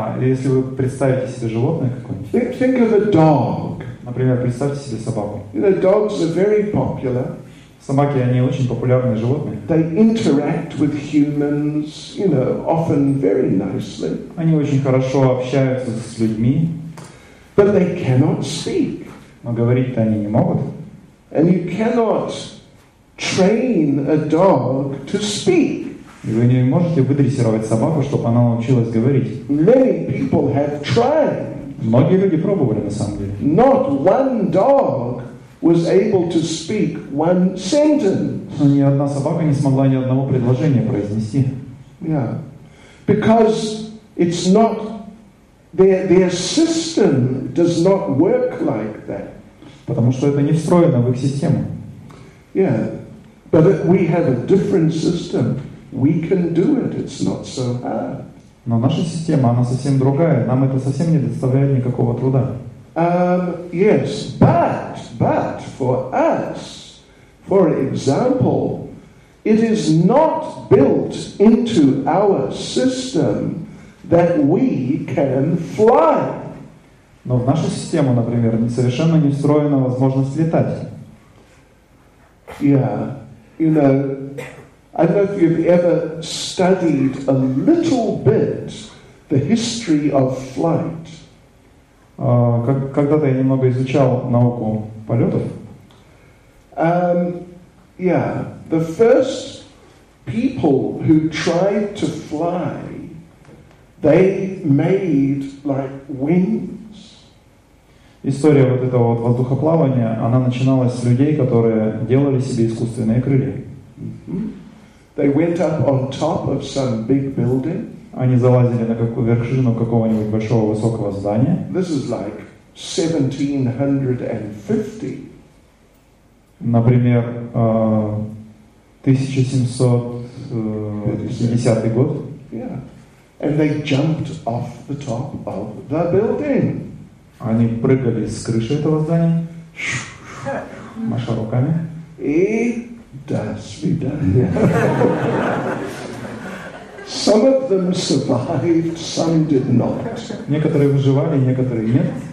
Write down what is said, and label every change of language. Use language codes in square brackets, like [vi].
[ru] если вы представите себе животное какое-нибудь, [en] think of a dog. [ru] Например, представьте себе собаку. [en] You know, dogs are very popular. [ru] Собаки, они очень популярные животные. [en] They interact with humans, you know, often very nicely. [ru] Они очень хорошо общаются с людьми. [en] But they cannot speak. [ru] Но говорить-то они не могут. [en] And you cannot train a dog to speak. [ru] И вы не можете выдрессировать собаку, чтобы она научилась говорить. [en] Many people have tried. [ru] Многие люди пробовали, на самом деле. [en] Not one dog was able to speak one sentence. [ru] Но ни одна собака не смогла ни одного предложения произнести. [en] Yeah. Because it's not their system does not work like that. [ru] Потому что это не встроено в их систему. [en] Yeah. But if we have a different system, we can do it. It's not so hard. [ru] Но наша система, она совсем другая. Нам это совсем не доставляет никакого труда. [en] Yes, but for us, for example, it is not built into our system that we can fly. [ru] Но в нашу систему, например, совершенно не встроена возможность летать. [en] Yeah, you know, I don't know if you've ever studied a little bit the history of flight. [ru] Когда-то я немного изучал науку полетов. [en] Yeah, the first people who tried to fly, they made like wings. [ru] История вот этого вот воздухоплавания, она начиналась с людей, которые делали себе искусственные крылья. [en] They went up on top of some big building. [ru] Они залазили на какую вершину какого-нибудь большого высокого здания. [en] This is like 1750. [ru] Например, 1750 год. [en] Yeah. And they jumped off the top of the building. [ru] Они прыгали с крыши этого здания. Маша руками. И does be done. [en] Some of them survived, some did not. [ru] Некоторые выживали, некоторые нет.